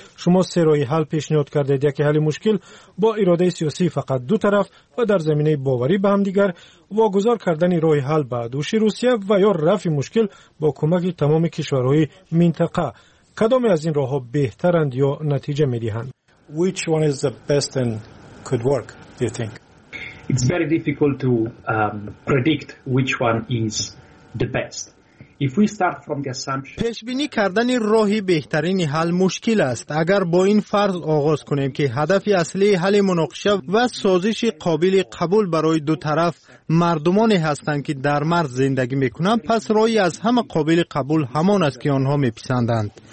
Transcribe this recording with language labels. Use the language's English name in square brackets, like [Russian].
[Persian] شما سه راه حل پیشنهاد کردید، یکی حل مشکل با اراده سیاسی فقط دو طرف و در زمینه باوری به هم دیگر، واگذار کردن راه حل به دوش روسیه و یا رفع مشکل با کمک تمام کشورهای منطقه. کدام از این راه ها بهترند یا نتیجه می دهند؟ [English] Which one is the best and could work, do you think? It's very difficult to predict which one is the best. If we start from the assumption, [Persian] پیش‌بینی کردن راه بهترین حل مشکل است. اگر با این فرض آغاز کنیم که هدف اصلی حل مناقشه و سازش قابل قبول برای دو طرف مردمانی هستند که در مرز زندگی میکنند، پس راهی از همه قابل قبول همان است که آنها میپسندند.